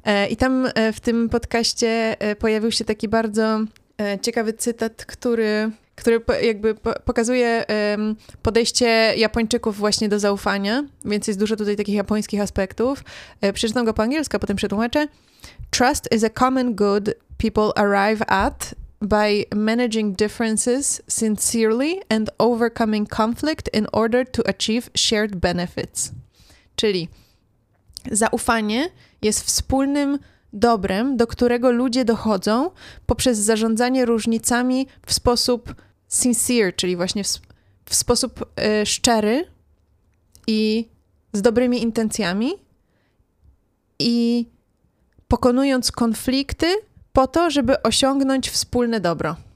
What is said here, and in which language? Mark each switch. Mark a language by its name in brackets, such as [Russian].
[Polish] I tam w tym podcaście pojawił się taki bardzo ciekawy cytat, który jakby pokazuje podejście Japończyków właśnie do zaufania, więc jest dużo tutaj takich japońskich aspektów. Przeczytam go po angielsku, a potem przetłumaczę. [English] Trust is a common good people arrive at by managing differences sincerely and overcoming conflict in order to achieve shared benefits. [Polish] Czyli zaufanie jest wspólnym dobrem, do którego ludzie dochodzą poprzez zarządzanie różnicami w sposób sincere, czyli właśnie w sposób szczery i z dobrymi intencjami i pokonując konflikty po to, żeby osiągnąć wspólne dobro.